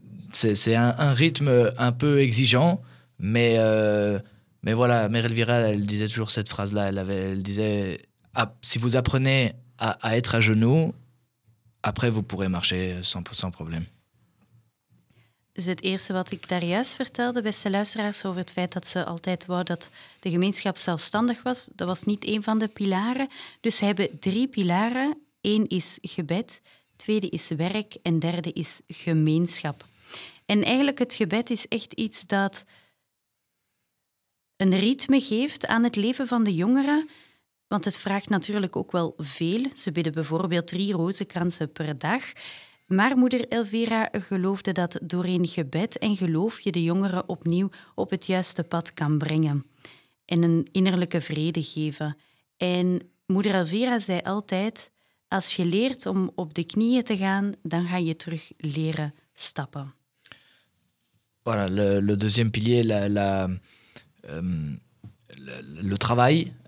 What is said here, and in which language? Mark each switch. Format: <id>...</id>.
<fr>C'est un rythme un peu exigeant, mais voilà, Mère Elvira, elle disait toujours cette phrase-là, elle disait « si vous apprenez à être à genoux, après vous pourrez marcher sans problème. »</fr> <nl>Dus het eerste wat ik daar juist vertelde, beste luisteraars, over het feit dat ze altijd wou dat de gemeenschap zelfstandig was, dat was niet een van de pilaren. Dus ze hebben drie pilaren. Eén is gebed, tweede is werk en derde is gemeenschap. En eigenlijk, het gebed is echt iets dat een ritme geeft aan het leven van de jongeren. Want het vraagt natuurlijk ook wel veel. Ze bidden bijvoorbeeld drie rozenkransen per dag. Maar moeder Elvira geloofde dat doorheen gebed en geloof je de jongeren opnieuw op het juiste pad kan brengen en een innerlijke vrede geven. En moeder Elvira zei altijd, als je leert om op de knieën te gaan, dan ga je terug leren stappen.</nl> <fr>Voilà, le deuxième pilier, le travail.</fr>